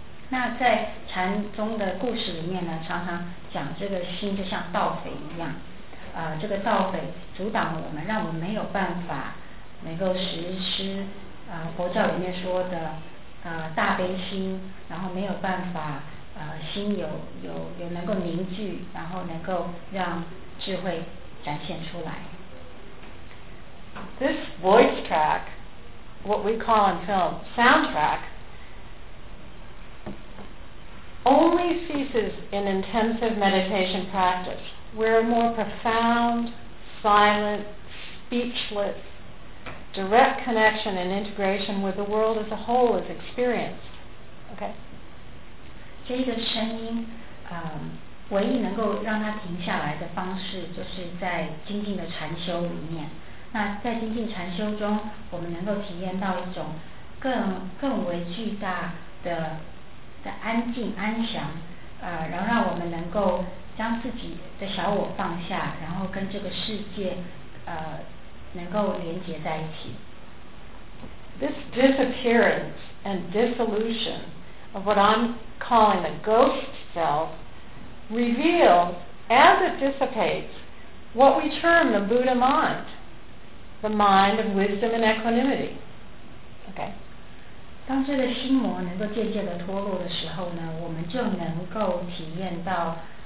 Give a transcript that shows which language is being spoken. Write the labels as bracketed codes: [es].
[zh] 那在禅宗的故事里面呢，常常讲这个心就像盗匪一样，这个盗匪阻挡我们，让我们没有办法能够实施佛教里面说的大悲心，然后没有办法心有能够凝聚，然后能够让智慧展现出来。 [en] This voice track, what we call in film soundtrack, only ceases in intensive meditation practice, where a more profound, silent, speechless, direct connection and integration with the world as a whole is experienced. Okay? [zh] 这个声音唯一能够让它停下来的方式就是在精进的禅修里面。那在精进禅修中，我们能够体验到一种更为巨大的安静安详，然后让我们能够将自己的小我放下，然后跟这个世界能够连接在一起。 [en] This disappearance and dissolution of what I'm calling the ghost self reveals, as it dissipates, what we term the Buddha mind, the mind of wisdom and equanimity. Okay. [zh] 当这个心魔能够渐渐的脱落的时候呢，我们就能够体验到